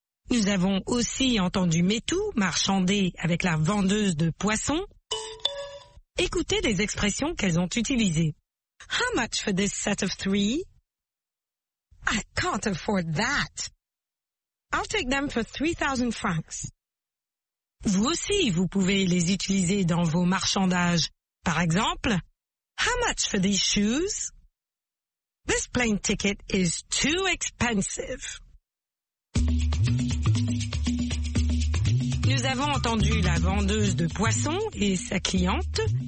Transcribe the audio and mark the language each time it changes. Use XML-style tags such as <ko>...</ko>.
<fr>Nous avons aussi entendu Métou marchander avec la vendeuse de poissons. Écoutez les expressions qu'elles ont utilisées.</fr> <en>How much for this set of three? I can't afford that. I'll take them for 3,000 francs.</en> <fr>Vous aussi, vous pouvez les utiliser dans vos marchandages.</fr> <en>Par exemple, how much for these shoes? This plane ticket is too expensive.</en> <fr>Nous avons entendu la vendeuse de poissons et sa cliente.</fr>